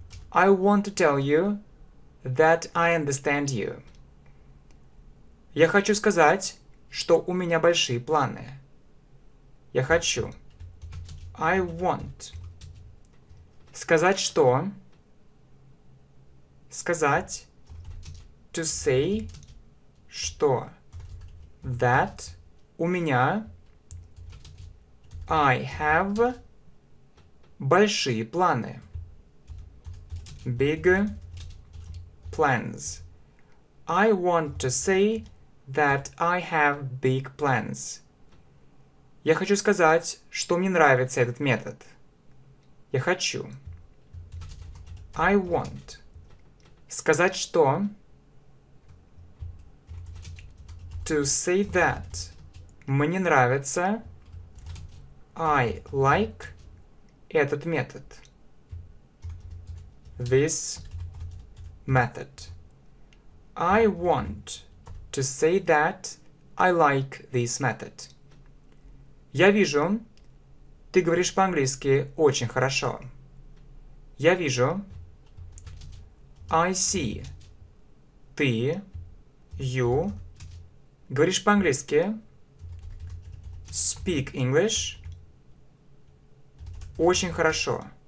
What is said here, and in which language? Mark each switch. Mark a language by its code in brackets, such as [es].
[en] I want to tell you that I understand you. [ru] Я хочу сказать, что у меня большие планы. Я хочу. [en] I want. [ru] Сказать что? Сказать. [en] To say. [ru] Что? [en] That. [ru] У меня. [en] I have [ru] большие планы. [en] big plans. I want to say that I have big plans. [ru] Я хочу сказать, что мне нравится этот метод. Я хочу. [en] I want. [ru] Сказать что? [en] To say that. [ru] Мне нравится. [en] I like [ru] этот метод. [en] This method. I want to say that I like this method. [ru] Я вижу, ты говоришь по-английски очень хорошо. Я вижу. [en] I see. [ru] Ты, [en] you, [ru] говоришь по-английски. [en] Speak English. [ru] Очень хорошо.